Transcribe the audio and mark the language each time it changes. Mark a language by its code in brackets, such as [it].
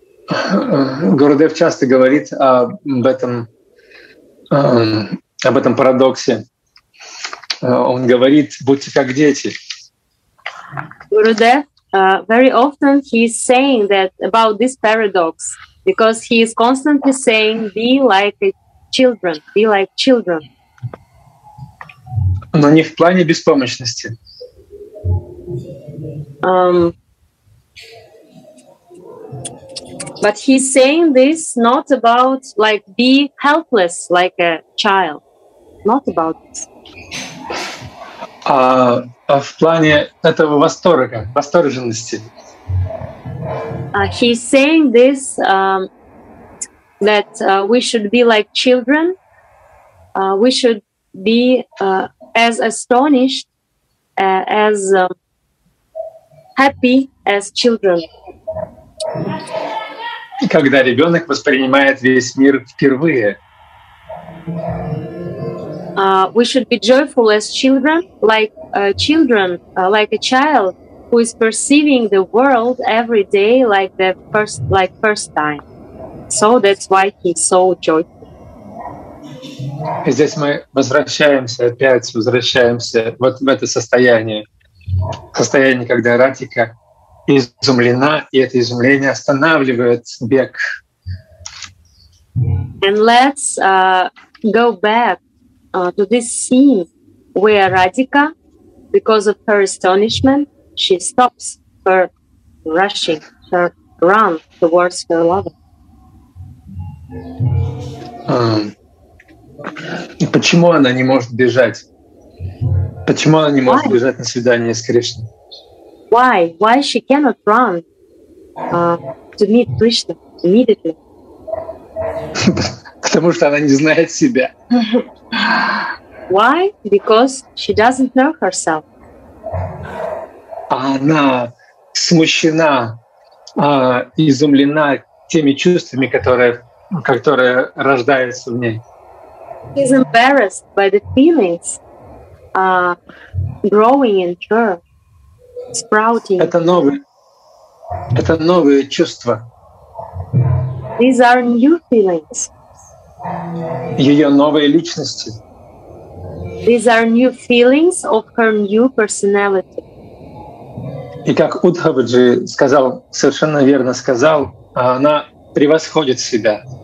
[ru] Гурудев часто говорит об этом парадоксе. Он говорит: будьте как дети. [en] Гурудев very often he is saying that about this paradox. Because he is constantly saying, be like a children, be like children. [ru] Но не в плане беспомощности. [en] But he's saying this not about like be helpless like a child. Not about this. [ru] А в плане этого восторга, восторженности. [en] He's saying this that we should be like children. We should be as astonished, as happy as children. [ru] Когда ребенок воспринимает весь мир впервые. [en] We should be joyful as children, like children, like a child. Who is perceiving the world every day like the first, like first time? So that's why he's so joyful. [ru] И здесь мы возвращаемся опять, возвращаемся вот в это состояние, состояние, когда Радхика изумлена, и это изумление останавливает бег. [en] And let's go back to this scene where Radhika, because of her astonishment. She stops her rushing, her run towards her lover. [ru] И почему она не может бежать? Почему она не [en] Why? [ru] Может бежать на свидание с Кришной? [en] Why? Why she cannot run to meet Krishna immediately? [ru] Потому что она не знает себя. [en] Why? Because she doesn't know herself. [ru] Она смущена, изумлена теми чувствами, которые рождаются в ней. [en] She's embarrassed by the feelings growing in her, sprouting. [ru] Это новые чувства. [en] These are new feelings. [ru] Ее новые личности. [en] These are new feelings of her new personality. [ru] И как Удхаваджи сказал, совершенно верно сказал, она превосходит себя.